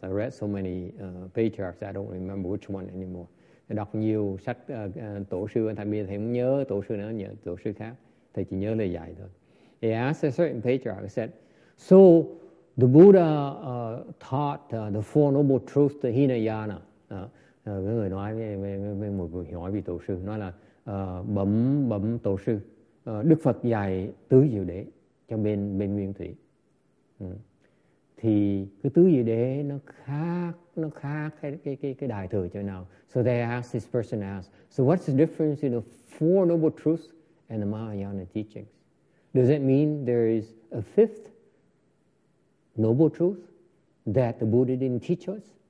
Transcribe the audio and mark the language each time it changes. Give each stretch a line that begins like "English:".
English: I read so many patriarchs, I don't remember which one anymore.
Vietnamese: I đọc nhiều sách tổ sư, thầy bây giờ thầy không nhớ tổ sư nữa, nhớ tổ sư khác, thầy chỉ nhớ lời dạy thôi.
English: He asked a certain patriarch, he said, so the Buddha taught the Four Noble Truths, the Hinayana.
Vietnamese: Người nói với một người hỏi vị tổ sư, nói là bấm tổ sư, Đức Phật dạy tứ diệu đế cho bên nguyên thủy. Thì cái tứ diệu đế nó khác cái đại thừa chỗ nào.
English: So they asked this person, so what's the difference in the Four Noble Truths and the Mahayana teachings? Does it mean there is a fifth noble truth that the Buddha didn't teach us?